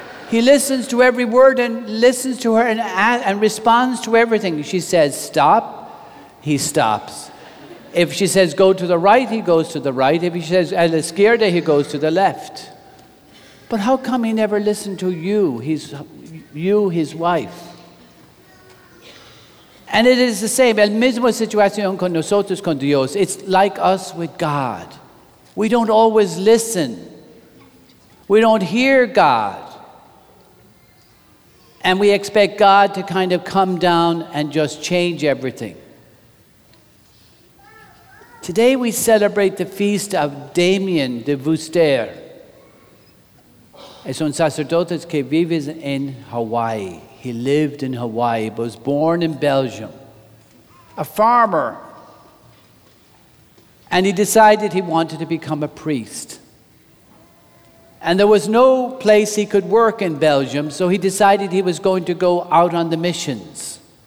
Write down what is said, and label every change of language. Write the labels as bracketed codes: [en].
[en] He listens to every word and listens to her and responds to everything. She says, stop, he stops. If she says, go to the right, he goes to the right. If he says, [es] a la izquierda, [en] he goes to the left. But how come he never listened to you, his wife? And it is the same, [es] el mismo situación con nosotros, con Dios. [en] It's like us with God. We don't always listen. We don't hear God. And we expect God to kind of come down and just change everything. Today we celebrate the feast of Damien de Vuster. [es] Es un sacerdote que vive en Hawaii. [en] He lived in Hawaii, but was born in Belgium. A farmer. And he decided he wanted to become a priest. And there was no place he could work in Belgium, so he decided he was going to go out on the missions.